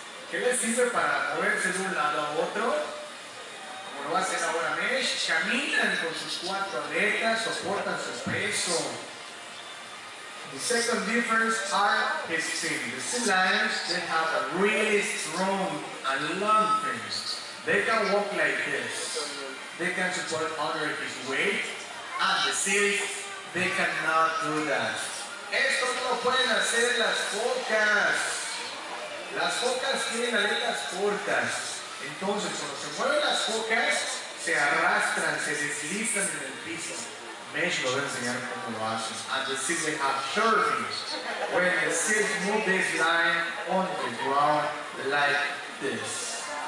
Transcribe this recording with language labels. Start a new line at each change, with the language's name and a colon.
Spanish: ¿Qué les sirve para moverse de un lado a otro? Como lo hacen ahora Mesh, caminan con sus cuatro aletas, soportan su peso.
English: The second difference are his fins. The sea lions, they have a really strong and long fins. They can walk like this. They can support under his weight. And the seals, they cannot do that.
Spanish: Esto no pueden hacer las focas. Las focas tienen aletas cortas. Entonces, cuando se mueven las focas, se arrastran, se deslizan en el piso. Mesh lo voy a enseñar cómo lo hacen.
English: And the seals they have short fins. When the seals move this line on the ground like this.